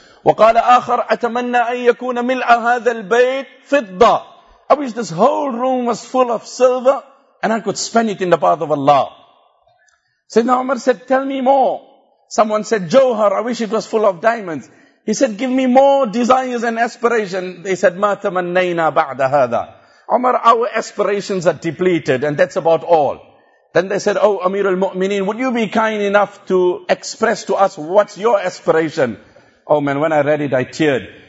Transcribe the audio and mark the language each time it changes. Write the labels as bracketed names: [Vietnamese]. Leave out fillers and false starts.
[Arabic] وَقَالَ آخر أَتَمَنَّى أَن يَكُونَ مِلْعَ هَذَا الْبَيْتِ فِضَّةِ. [English] I wish this whole room was full of silver, and I could spend it in the path of Allah. Sayyidina Umar said, tell me more. Someone said, Johar, I wish it was full of diamonds. He said, give me more desires and aspiration. [Arabic] They said, مَا تَمَنَّيْنَا بَعْدَ هَذَا. [English] Umar, our aspirations are depleted, and that's about all. Then they said, oh, Amir al-Mu'mineen, would you be kind enough to express to us what's your aspiration? Oh man, when I read it, I teared.